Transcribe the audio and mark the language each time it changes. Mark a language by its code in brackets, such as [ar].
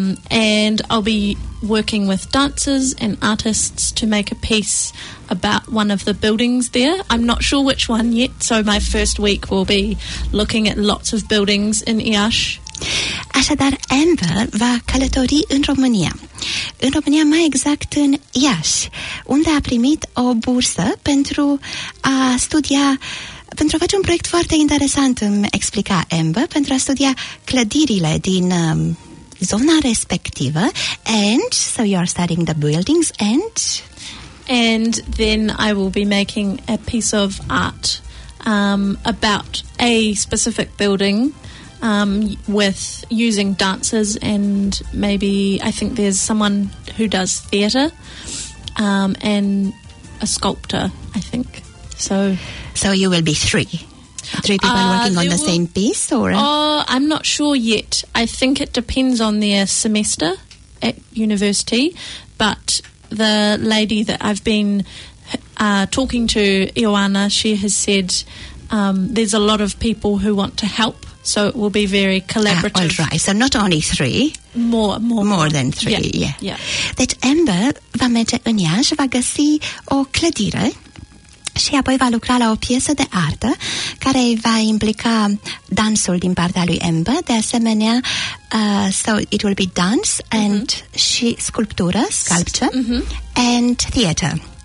[en] And I'll be working with dancers and artists to make a piece about one of the buildings there. I'm not sure which one yet, so my first week will be looking at lots of buildings in Iași. [ro] Așadar, Amber va călători în România. În România, mai exact în Iași, unde a primit o bursă pentru a studia, pentru a face un proiect foarte interesant, îmi explica Amber, pentru a studia clădirile din zona respectivă. [en] And so you are studying the buildings and... And then I will be making a piece of art about a specific building with using dancers and maybe I think there's someone who does theatre and a sculptor, I think. So you will be three people working on the same piece? Or? Oh, I'm not sure yet. I think it depends on their semester at university, but the lady that I've been talking to, Ioana, she has said there's a lot of people who want to help, so it will be very collaborative. All right, so not only three. More than three, yeah. [ro] Deci, Amber va merge în Iași, va găsi o clădire și apoi va lucra la o piesă de artă care va implica dansul din partea lui Amber. De asemenea, [en] so it will be dance and [ro] și sculptură, [en] sculpture, and theatre.